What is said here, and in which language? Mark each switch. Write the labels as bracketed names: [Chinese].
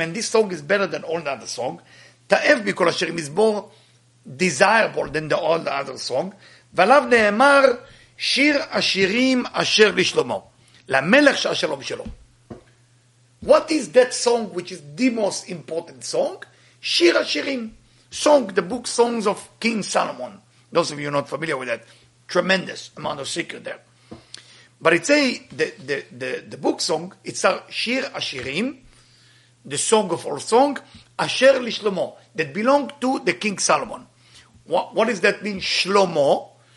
[English] And this song is better than all the other song. [Hebrew] Ta'ev mikol ha'shirim [English] is more desirable than all the other song. [Hebrew] ועליו נאמר שיר השירים אשר לשלמה, למלך שהשלום שלו. [English] What is that song which is the most important song? Shir HaShirim. Song, the book Songs of King Solomon. Those of you not familiar with that. Tremendous amount of secret there. But it's the book song, it's Shir HaShirim, the song of all song, [Hebrew] Asher LiShlomo, [English] that belonged to the King Solomon. What does that mean? Shlomo.